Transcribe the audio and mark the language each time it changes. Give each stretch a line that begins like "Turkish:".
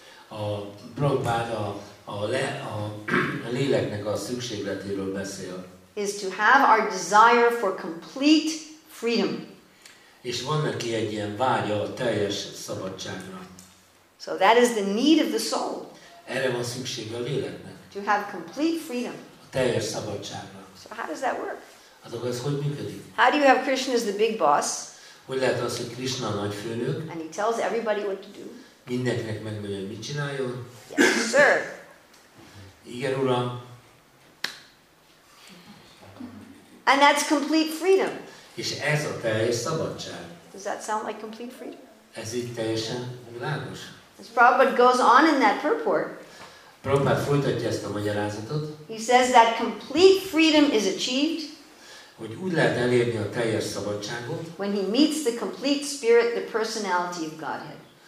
Hungarian: A Prabhupada a léleknek a szükségletéről beszél.
English: Is to have our desire for complete freedom.
Hungarian: És van neki egy ilyen vágya a teljes szabadságra.
English: So that is the need of the soul.
Hungarian: Erre van szüksége a léleknek.
English: To have complete freedom.
Hungarian: A teljes szabadságra.
English: So how does that work?
Hungarian: Hát akkor ez hogy működik?
English: How do you have Krishna as the big boss?
Hungarian: Hogy lehet az, hogy Krishna a nagyfőnök?
English: And he tells everybody what to do.
Hungarian: Mindenkinek megmondja, hogy mit csináljon.
English: Yes, sir.
Hungarian: Igen, uram.
English: And that's complete freedom.
Hungarian: És ez a teljes szabadság.
English: Does that sound like complete freedom?
Hungarian: Ez így teljesen világos.
English: As Prabhupada goes on in that purport.
Hungarian: Prabhupada folytatja ezt a magyarázatot.
English: He says that complete freedom is achieved.
Hungarian: Hogy úgy lehet elérni a teljes szabadságot.
English: When he meets the complete spirit, the personality of Godhead.